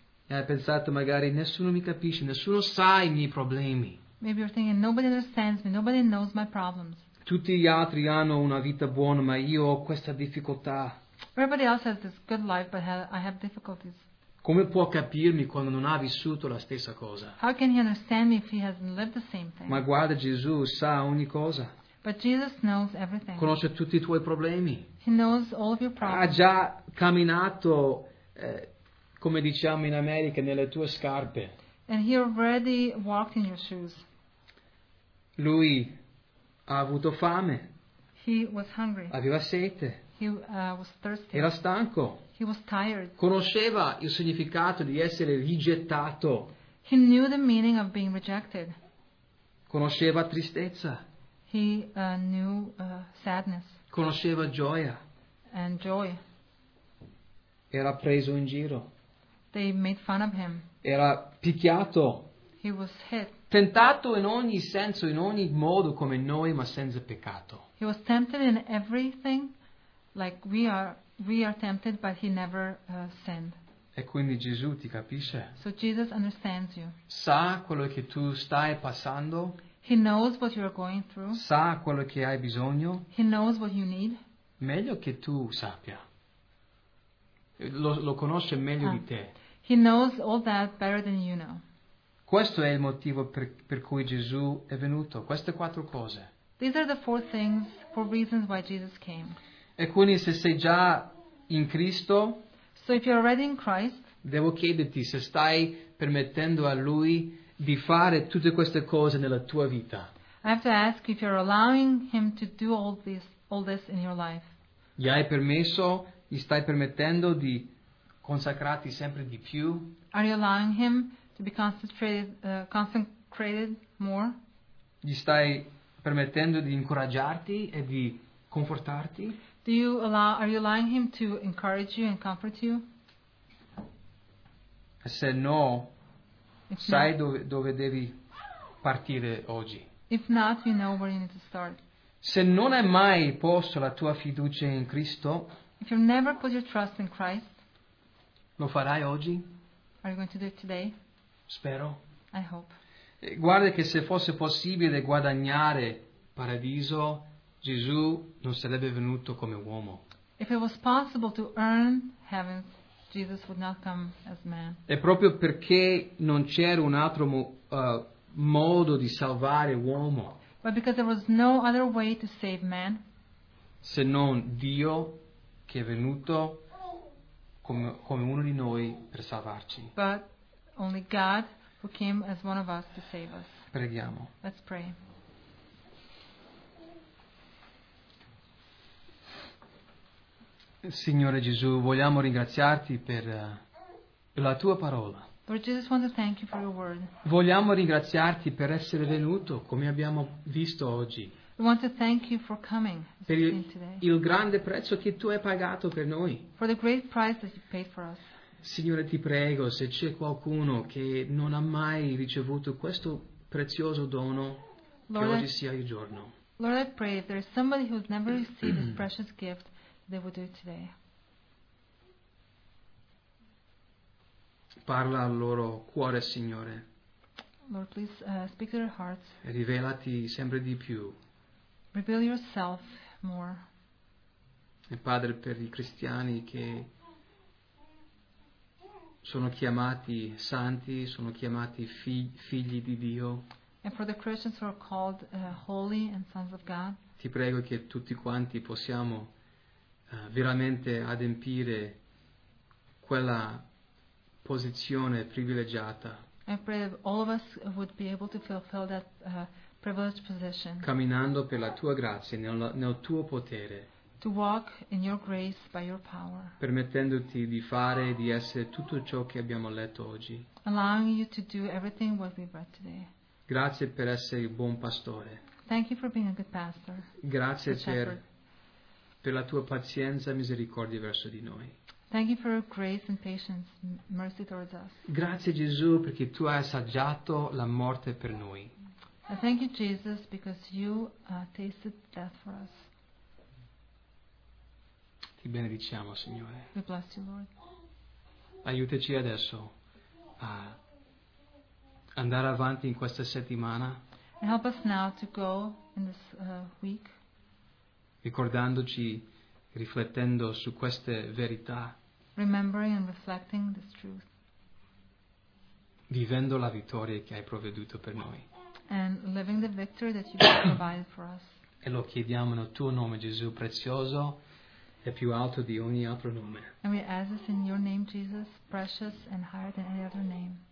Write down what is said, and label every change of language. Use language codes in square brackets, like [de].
[it] E hai pensato magari nessuno mi capisce, nessuno sa i miei problemi. [en] Maybe you're thinking nobody understands me, nobody knows my problems. [it] Tutti gli altri hanno una vita buona, ma io ho questa difficoltà. [en] Everybody else has this good life, but I have difficulties. [it] Come può capirmi quando non ha vissuto la stessa cosa? [en] How can he understand me if he hasn't lived the same thing? [it] Ma guarda, Gesù sa ogni cosa. [en] But Jesus knows everything. [it] Conosce tutti i tuoi problemi. [en] He knows all of your problems. [it] Ha già camminato, come diciamo in America, nelle tue scarpe. [en] And he already walked in your shoes. [it] Lui ha avuto fame. [en] He was hungry. [it] Aveva sete. [en] He was thirsty. [it] Era stanco. [en] He was tired. [it] Conosceva il significato di essere rigettato. [en] He knew the meaning of being rejected. [it] Conosceva tristezza. [en] He knew sadness. [it] Conosceva gioia. [en] And joy. [it] Era preso in giro. [en] They made fun of him. [it] Era picchiato. [en] He was hit. [it] Tentato in ogni senso, in ogni modo, come noi, ma senza peccato. [en] He was tempted in everything, like we are, we are tempted, but he never sinned. [it] E quindi Gesù ti capisce. [en] So Jesus understands you. [it] Sa quello che tu stai passando. [en] He knows what you are going through. [it] Sa quello che hai bisogno. [en] He knows what you need. [it] Meglio che tu sappia. Lo conosce meglio di te. [en] He knows all that better than you know. [it] Questo è il motivo per cui Gesù è venuto. Queste quattro cose. [en] These are the four things, four reasons why Jesus came. [it] E quindi se sei già in Cristo, [en] so if you're already in Christ, [it] devo chiederti se stai permettendo a Lui di fare tutte queste cose nella tua vita. [en] I have to ask if you're allowing Him to do all this in your life. [it] Gli hai permesso, gli stai permettendo di consacrarti sempre di più? [en] Are you allowing Him to be consecrated more? [it] Gli stai permettendo di incoraggiarti e di confortarti? [en] Are you allowing Him to encourage you and comfort you? [it] Se no, sai dove devi partire oggi. [en] If not, you know where you need to start. [it] Se non hai mai posto la tua fiducia in Cristo, [en] if you've never put your trust in Christ, [it] lo farai oggi? [en] Are you going to do it today? [it] Spero. [en] I hope. [it] E guarda che se fosse possibile guadagnare paradiso, Gesù non sarebbe venuto come uomo. [en] If it was possible to earn heaven, Jesus would not come as man. [it] E proprio perché non c'era un altro modo di salvare uomo. [en] But because there was no other way to save man. [it] Se non Dio che è venuto come uno di noi per salvarci. [en] But only God who came as one of us to save us. [it] Preghiamo. [en] Let's pray. [it] Signore Gesù, vogliamo ringraziarti per la tua parola. [en] Lord Jesus, want to thank you for your word. [it] Vogliamo ringraziarti per essere venuto come abbiamo visto oggi. [en] We want to thank you for coming. [it] Per il grande prezzo che tu hai pagato per noi. [en] For the great price that you paid for us. [it] Signore, ti prego, se c'è qualcuno che non ha mai ricevuto questo prezioso dono, [en] Lord, [it] che oggi sia il giorno. [en] Lord, I pray if there is somebody who has never received this precious gift, they will do it today. [it] Parla al loro cuore, Signore. [en] Lord, please speak to their hearts. [it] E rivelati sempre di più. [en] Reveal yourself more. [it] E Padre, per i cristiani che sono chiamati santi, sono chiamati figli di Dio. [en] And for the Christians who are called holy and sons of God. [it] Ti prego che tutti quanti possiamo veramente adempiere quella posizione privilegiata. [en] I pray that all of us would be able to fulfill that privileged position. [it] Camminando per la tua grazia, nel tuo potere. [en] To walk in your grace by your power. [it] Permettendoti di fare e di essere tutto ciò che abbiamo letto oggi. [en] Allowing you to do everything what we've read today. [it] Grazie per essere il buon pastore. [en] Thank you for being a good pastor. [it] Grazie per la tua pazienza e misericordia verso di noi. [en] Thank you for your grace and patience, mercy towards us. [it] Grazie Gesù perché tu hai assaggiato la morte per noi. [en] I thank you Jesus because you tasted death for us. [it] Ti benediciamo Signore. [en] We bless you Lord. [it] Aiutaci adesso a andare avanti in questa settimana. [en] And help us now to go in this week. [it] Ricordandoci, riflettendo su queste verità. [en] Remembering and reflecting this truth. [it] Vivendo la vittoria che hai provveduto per noi. [en] And living the victory that you provided for us. [it] E lo chiediamo nel tuo nome, Gesù, prezioso e più alto di ogni altro nome. [en] And we ask this in your name, Jesus, precious and higher than any other name.